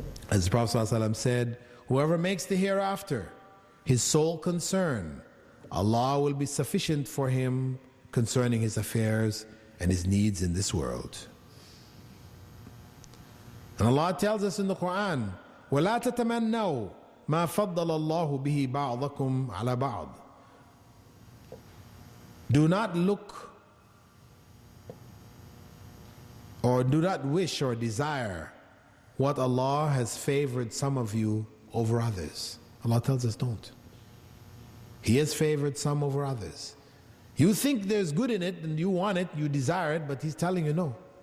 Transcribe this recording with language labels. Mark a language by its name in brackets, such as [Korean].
[English] As the Prophet ﷺ said, whoever makes the hereafter his sole concern, Allah will be sufficient for him concerning his affairs and his needs in this world. And Allah tells us in the Quran, [Arabic] وَلَا تَتَمَنَّوْا مَا فَضَّلَ اللَّهُ بِهِ بَعْضَكُمْ عَلَى بَعْضٍ. [English] Do not look or do not wish or desire what Allah has favored some of you over others. Allah tells us don't. He has favored some over others. You think there's good in it and you want it, you desire it, but he's telling you no.